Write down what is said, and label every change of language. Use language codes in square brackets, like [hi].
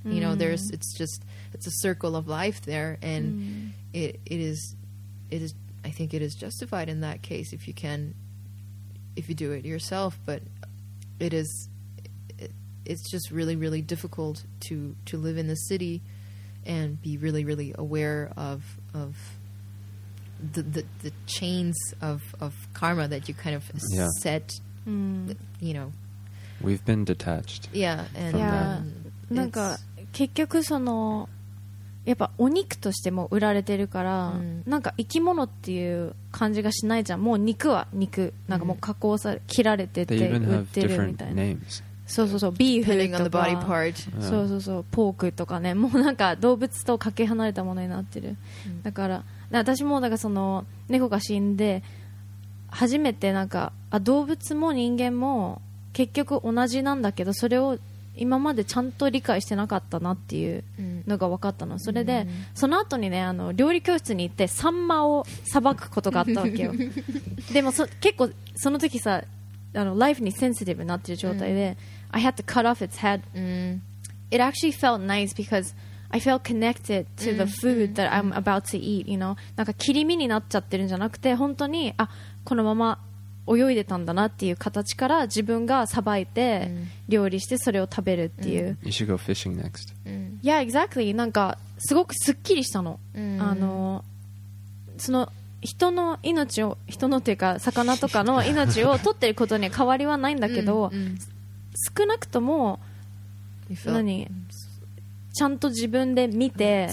[en] Mm. You know, it's a circle of life there, and it is justified in that case if you do it yourself, but it's just really, really difficult to live in the city and be really, really aware of the chains of karma that you kind of set, you know. We've been detached. Yeah, and yeah. [ja] なんか結局そのやっぱお肉としても売られてるから、うん、なんか生き物っていう感じがしないじゃん。もう肉は肉、なんかもう加工され、切られてて売ってるみたいな。そうそうそう、ビーフとか、 [en] the body part. [ja] そうそうそう、ポークとかね、もうなんか動物とかけ離れたものになってる、うん、だから私もなんかその猫が死んで初めてなんか、あ、動物も人間も結局同じなんだけど、それを今までちゃんと理解してなかったなっていうのが分かったの、うん、それで、うん、その後にね、あの料理教室に行ってサンマをさばくことがあったわけよでも結構その時さ、あのライフにセンシティブになってる状態で、mm. [en] I had to cut off its head、 mm. It actually felt nice because I feel connected to the food that I'm about to eat, you know? [ja] なんか切り身になっちゃってるんじゃなくて、本当に、あ、このまま泳いでたんだなっていう形から自分がさばいて料理してそれを食べるっていう。 [en] You should go fishing next. Yeah, exactly. [ja] なんかすごくすっきりしたの。あの、その人の命を、人のっていうか魚とかの命を取ってることに変わりはないんだけど、少なくとも何ちゃんと自分で見て、